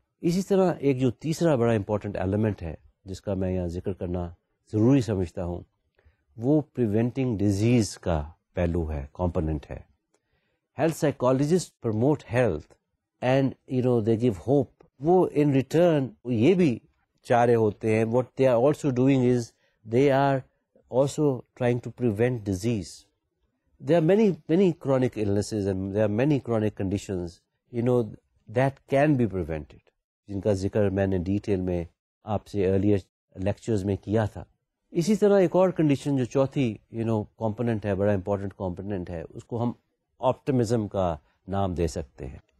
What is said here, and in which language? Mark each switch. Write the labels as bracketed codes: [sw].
[ur] اسی طرح ایک جو تیسرا بڑا امپورٹنٹ ایلیمنٹ ہے جس کا میں یہاں ذکر کرنا ضروری سمجھتا ہوں, وہ پریونٹنگ ڈیزیز کا پہلو ہے, کمپوننٹ ہے. [en] health psychologist promote health and they give hope [ur] وہ [en] in return [ur] یہ بھی چاہ رہے ہوتے ہیں. [en] What they are also doing is they are also trying to prevent disease. There are many many chronic illnesses and there are many chronic conditions you know that can be prevented, [ur] جن کا ذکر میں نے ڈیٹیل میں آپ سے earlier lectures میں کیا تھا. اسی طرح ایک اور کنڈیشن جو چوتھی [en] you know [ur] کمپوننٹ ہے, بڑا امپورٹنٹ کمپوننٹ ہے, اس کو ہم آپٹیمزم کا نام دے سکتے ہیں.